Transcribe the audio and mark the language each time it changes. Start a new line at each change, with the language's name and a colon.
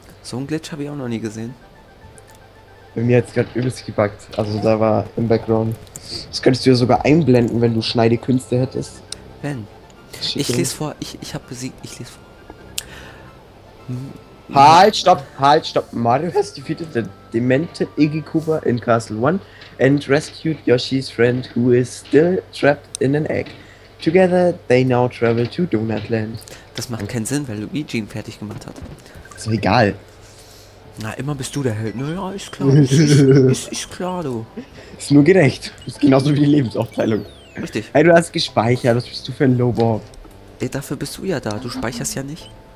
German: So einen Glitch habe ich auch noch nie gesehen. Bei mir hat es gerade übelst gebuggt. Also da war im Background. Das könntest du ja sogar einblenden, wenn du Schneidekünste hättest. Wenn. Ich lese vor, ich habe besiegt, ich lese vor. Halt, stopp.
English: Mario has defeated the demented Iggy Koopa in Castle 1 and rescued Yoshi's friend, who is still trapped in an egg. Together they now travel to Donut Land.
German: Das macht keinen Sinn, weil Luigi ihn fertig gemacht hat. Ist mir egal. Na, immer bist du der Held. Naja, ist klar. Ist klar, du. Ist nur gerecht. Ist genauso wie die Lebensaufteilung. Richtig. Hey, du hast gespeichert. Was bist du für ein Lobor? Ey, dafür bist du ja da. Du speicherst ja nicht.